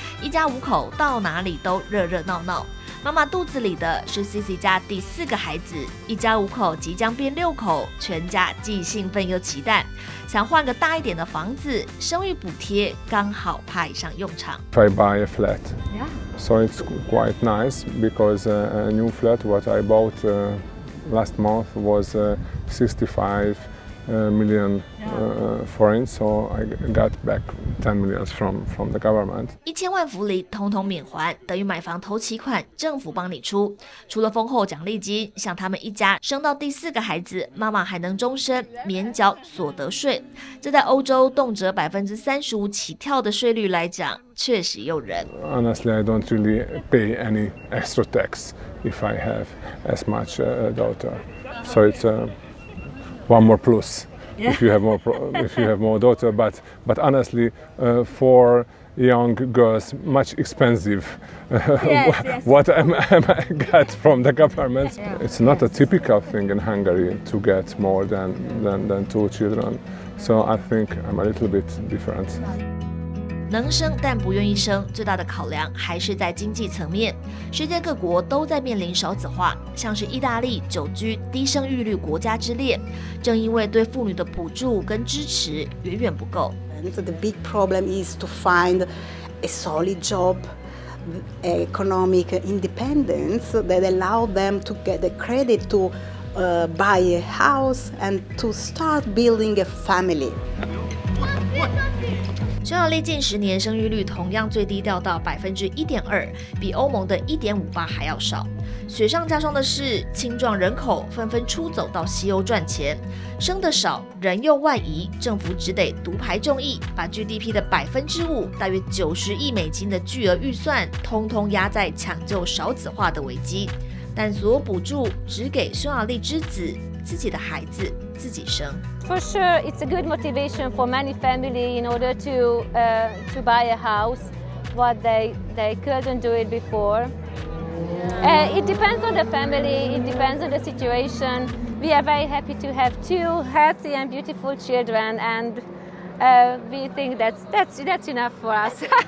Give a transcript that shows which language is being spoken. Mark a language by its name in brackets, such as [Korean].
[Chinese] 一家五口到哪里都热热闹闹。妈妈肚子里的是 Cici 家第4个孩子，一家五口即将变6口，全家既兴奋又期待，想换个大一点的房子，生育补贴刚好派上用场。 [English] I buy a flat. Yeah. So it's quite nice because a new flat what I bought last month was 65 million foreign, so I got back 10 million from the government. [Chinese] 1000万福利通通免还，等于买房头期款政府帮你出。除了丰厚奖励金，像他们一家生到第4个孩子，妈妈还能终身免缴所得税。这在欧洲动辄35%起跳的税率来讲，确实诱人。 [English] Honestly, I don't really pay any extra tax if I have as much daughter. So it's one more plus, if you have more daughter, but honestly, for young girls much expensive. Yes, what am I get from the government? Yeah. It's not a typical thing in Hungary to get more than two children. So I think I'm a little bit different. [Chinese] 能生但不愿意生，最大的考量还是在经济层面。世界各国都在面临少子化，像是意大利久居低生育率国家之列。正因为对妇女的补助跟支持远远不够。 [English] And the big problem is to find a solid job, economic independence that allow them to get the credit to buy a house and to start building a family. [Chinese] 匈牙利近十年生育率同样最低掉到 1.2%， 比欧盟的 1.58% 还要少。雪上加霜的是，青壮人口纷纷出走到西欧赚钱，生得少，人又外移，政府只得独排众议，把 GDP 的 5%， 大约$90亿的巨额预算，通通压在抢救少子化的危机。但所有补助只给匈牙利之子，自己的孩子自己生。 [English] For sure, it's a good motivation for many family in order to buy a house, what they couldn't do it before. It depends on the family, it depends on the situation. We are very happy to have two healthy and beautiful children, and we think that's enough for us.